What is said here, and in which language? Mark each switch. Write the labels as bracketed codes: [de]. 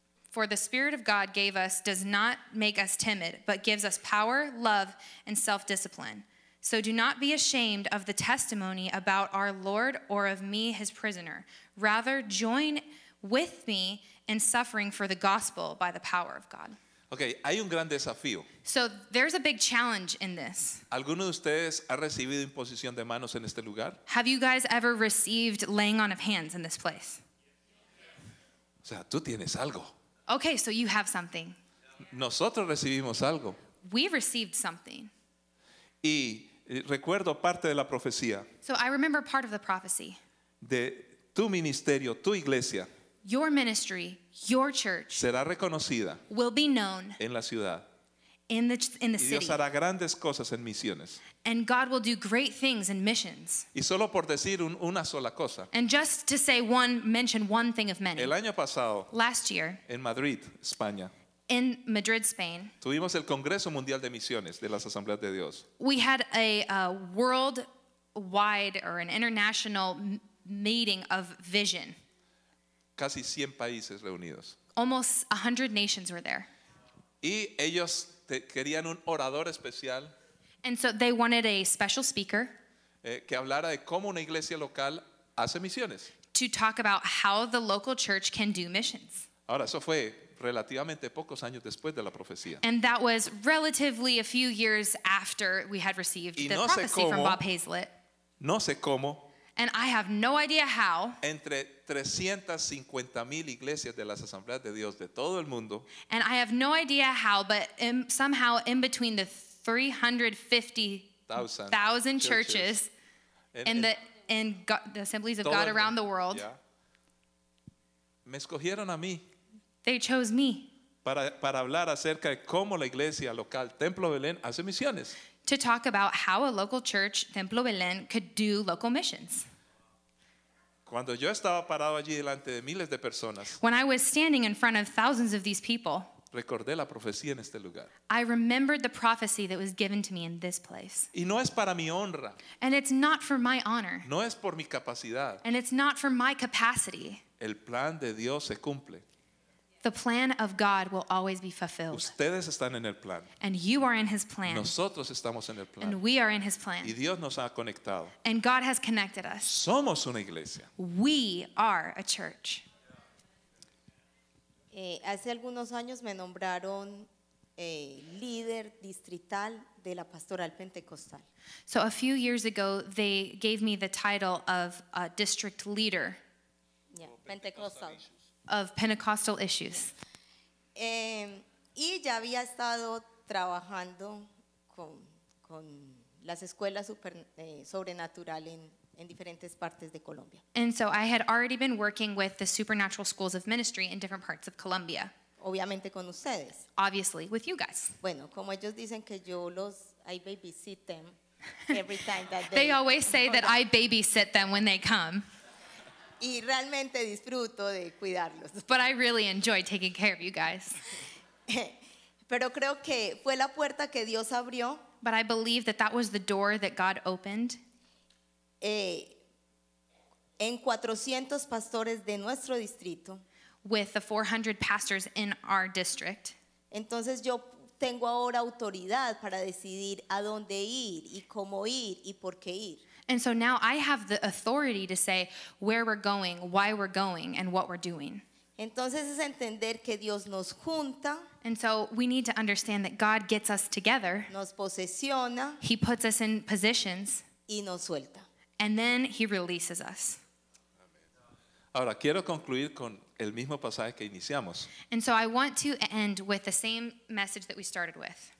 [en] For the Spirit of God gave us does not make us timid, but gives us power, love, and self-discipline. So do not be ashamed of the testimony about our Lord or of me, his prisoner. Rather, join with me in suffering for the gospel by the power of God." [es] Okay, hay un gran desafío. [en] So there's a big challenge in this. [es] ¿Alguno de ustedes ha recibido imposición de manos en este lugar? [en] Have you guys ever received laying on of hands in this place? [es] O sea, tú tienes algo. [en] Okay, so you have something. [es] Nosotros recibimos algo. [en] We received something. [es] Y recuerdo parte de la profecía. [en] So I remember part of the prophecy. [es] De tu ministerio, tu iglesia. [en] Your ministry, your church, [es] será reconocida, [en] will be known [es] en la ciudad, [en] in the [es] y [en] city. [es] Dios hará grandes cosas en misiones. [en] And God will do great things in missions. [es] Y solo por decir una sola cosa. [en] And just to say one, mention one thing of many. [es] El año pasado, [en] last year, [es] en Madrid, España, [en] in Madrid, Spain, [es] tuvimos el Congreso Mundial de Misiones de las Asambleas de Dios. [en] We had a worldwide or an international meeting of vision. [es] Casi 100 países reunidos. [en] Almost 100 nations were there. [es] Y ellos querían un orador especial. [en] And so they wanted a special speaker. [es] Que hablara de cómo una iglesia local hace misiones. [en] To talk about how the local church can do missions. [es] Ahora, eso fue relativamente pocos años después de la profecía. [en] And that was relatively a few years after we had received [es] y [en] the [es] no [en] prophecy [es] sé cómo, [en] from Bob Hazlett. [es] No sé cómo. [en] And I have no idea how. [es] Entre 350,000 iglesias de las asambleas de Dios de todo el mundo. [en] And I have no idea how, but somehow in between the 350,000 churches in the assemblies of God around the world. [es] Yeah. Me escogieron a mí. [en] They chose me. [es] Para hablar acerca de cómo la iglesia local Templo Belén hace misiones. [en] To talk about how a local church, Templo Belén, could do local missions. [es] Cuando yo estaba parado allí delante de miles de personas. [en] When I was standing in front of thousands of these people. [es] Recordé la profecía en este lugar. [en] I remembered the prophecy that was given to me in this place. [es] Y no es para mi honra. [en] And it's not for my honor. [es] No es por mi capacidad. [en] And it's not for my capacity. [es] El plan de Dios se cumple. [en] The plan of God will always be fulfilled. [es] Ustedes están en el plan. [en] And you are in his plan. [es] Nosotros estamos en el plan. [en] And we are in his plan. [es] Y Dios nos ha conectado. [en] And God has connected us. [es] Somos una iglesia. [en] We are a church. [es] Hace algunos años me nombraron líder distrital de la pastoral pentecostal. [en] So a few years ago they gave me the title of a district leader. Yeah, pentecostal. Of Pentecostal issues. [es] Y ya había estado trabajando con las escuelas super, sobrenatural en diferentes partes de Colombia. [en] And so I had already been working with the supernatural schools of ministry in different parts of Colombia. [es] Obviamente con ustedes. [en] Obviously with you guys. [es] Bueno, como ellos dicen que yo los [en] I babysit them every time that they always say that I babysit them when they come. [es] Y realmente disfruto de cuidarlos. [en] But I really enjoy taking care of you guys. [es] Pero creo que fue la puerta que Dios abrió. [en] But I believe that that was the door that God opened. [es] En 400 pastores de nuestro distrito. [en] With the 400 pastors in our district. [es] Entonces yo tengo ahora autoridad para decidir a dónde ir y cómo ir y por qué ir. [en] And so now I have the authority to say where we're going, why we're going, and what we're doing. [es] Entonces es entender que Dios nos junta. [en] And so we need to understand that God gets us together. [es] Nos posesiona. [en] He puts us in positions. [es] Y nos suelta. [en] And then he releases us. [es] Ahora, quiero concluir con el mismo pasaje que iniciamos. [en] And so I want to end with the same message that we started with.